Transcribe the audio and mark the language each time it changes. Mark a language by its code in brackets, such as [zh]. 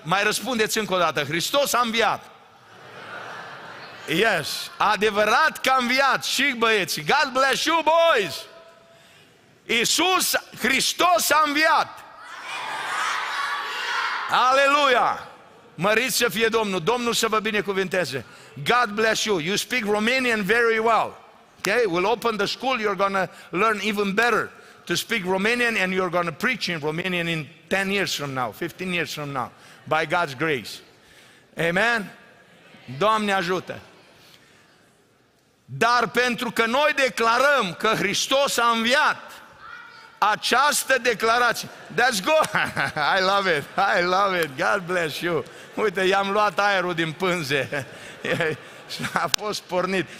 [ro] Mai răspundeți încă o dată, Hristos a înviat! [en] Yes, [ro] adevărat că a înviat și băieți. [en] God bless you, boys! [ro] Iisus Hristos a înviat! Aleluia! Măriți să fie Domnul. Domnul să vă binecuvinteze. [en] God bless you. You speak Romanian very well. Okay? We'll open the school. You're going to learn even better to speak Romanian, and you're going to preach in Romanian in 10 years from now, 15 years from now, by God's grace. [ro] Amen? Doamne ajută! Dar pentru că noi declarăm că Hristos a înviat, această declarație, [en] that's good, I love it, I love it, God bless you. [ro] Uite, i-am luat aerul din pânze, a fost pornit.